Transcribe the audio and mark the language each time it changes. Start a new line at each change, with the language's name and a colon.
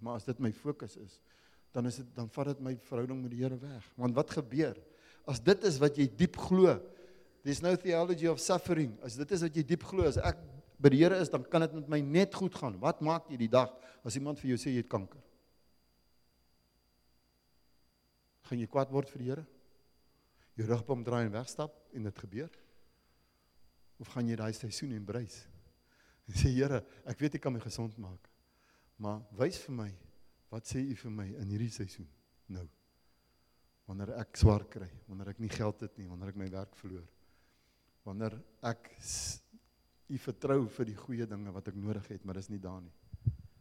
Afrikaans: Maar as dit my fokus is, dan is dit dan vat dit my verhouding met die Here weg. Want wat gebeur? As dit is wat jy diep glo,
English: there's no theology of suffering.
Afrikaans: As dit is wat jy diep glo, as ek by die Here is, dan kan dit met my net goed gaan. Wat maak jy die dag as iemand vir jou sê jy het kanker? Gaan jy kwaad word vir die Here? Jou rug om draai en wegstap en dit gebeur? Of gaan jy daai seisoen embrace? En sê, Here, ek weet jy kan my gesond maak, maar wys vir my, wat sê jy vir my in hierdie seisoen, nou, wanneer ek swaar kry, wanneer ek nie geld het nie, wanneer ek my werk verloor, wanneer ek jy vertrou vir die goeie dinge wat ek nodig het, maar dis nie daar nie.